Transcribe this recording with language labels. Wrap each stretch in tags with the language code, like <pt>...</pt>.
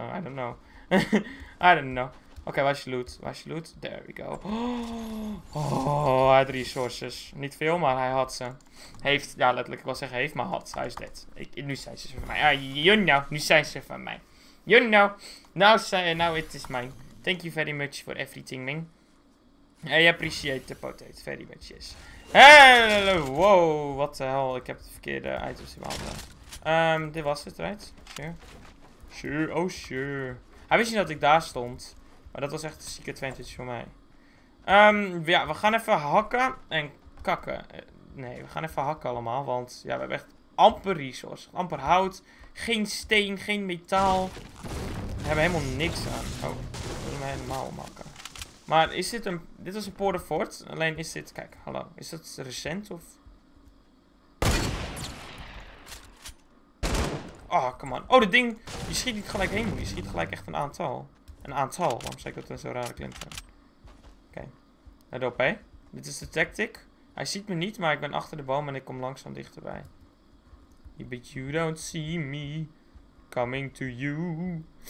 <en>I don't know. I don't know.</en> <nl>Oké, waar is je loot? Waar is je loot?</nl> <en>There we go.</en> <nl>Oh, hij had resources. Niet veel, maar hij had ze. Heeft, ja letterlijk, ik wil zeggen heeft, maar had. Hij is dead. Nu zijn ze van mij.</nl> <en>You know,</en> <nl>nu zijn ze van mij.</nl> <en>You know. Now it is mine. Thank you very much for everything, Ming. I appreciate the potato very much, yes. Hello, wow, what the hell.</en> <nl>Ik heb de verkeerde items in mijn handen. Dit was het, right? Sure.</nl> <en>Sure, oh sure.</en> <nl>Hij wist niet dat ik daar stond. Maar dat was echt een zieke advantage voor mij. Ja, we gaan even hakken en kakken. Nee, we gaan even hakken allemaal. Want ja, we hebben echt amper resource. Amper hout. Geen steen, geen metaal. We hebben helemaal niks aan. Oh, we willen hem helemaal omhakken. Maar is dit een... Dit was een Porter Fort. Alleen is dit... Kijk, hallo. Is dat recent of...</nl> <en>Oh, come on.</en> <nl>Oh, dat ding... Je schiet niet gelijk heen. Je schiet gelijk echt een aantal. Een aantal. Waarom zeg ik dat een zo rare klinkt? Oké. Let op, hè. Dit is de tactic. Hij ziet me niet, maar ik ben achter de boom en ik kom langzaam dichterbij.</nl> <en>But you don't see me coming to you.</en>